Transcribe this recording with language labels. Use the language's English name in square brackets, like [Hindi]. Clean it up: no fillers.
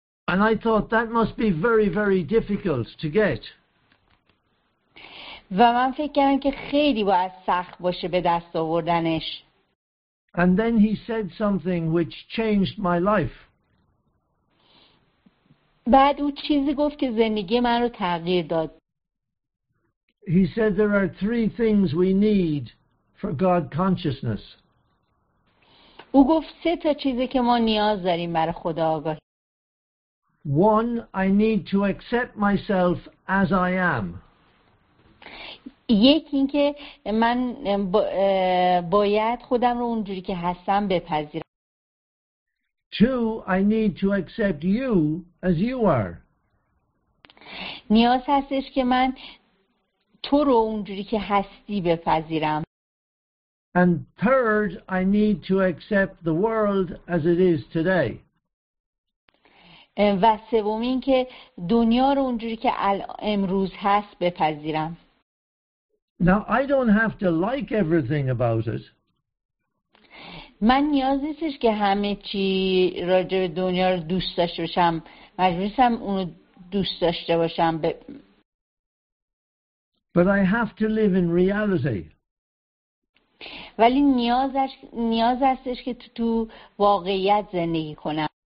[English] And I thought that must be very, very difficult to get. [Persian] و من فکر کردم که خیلی باید سخت باشه به دست آوردنش. [English] And then he said something which changed my life. [Persian] بعد او چیزی گفت که زندگی من رو تغییر داد. [English] He said there are three things we need for God consciousness. [Persian] او گفت سه تا چیزی که ما نیاز داریم برای خدا آگاهی. [English] One, I need to accept myself as I am. [Persian] یک اینکه من باید خودم رو اونجوری که هستم بپذیرم. [English] Two, I need to accept you as you are. [Persian] نیاز هستش که من تو رو اونجوری که هستی بپذیرم. [English] And third, I need to accept the world as it is today. [Persian] و سوم این که دنیا رو اونجوری که امروز هست بپذیرم. [English] Now I don't have to like everything about it. [Persian] من نیاز نیستش که همه چی راجع به دنیا رو دوست داشته باشم. مجبور نیستم اونو دوست داشته باشم. [English] But I have to live in reality. [Persian] ولی نیاز هستش که تو واقعیت زندگی کنم.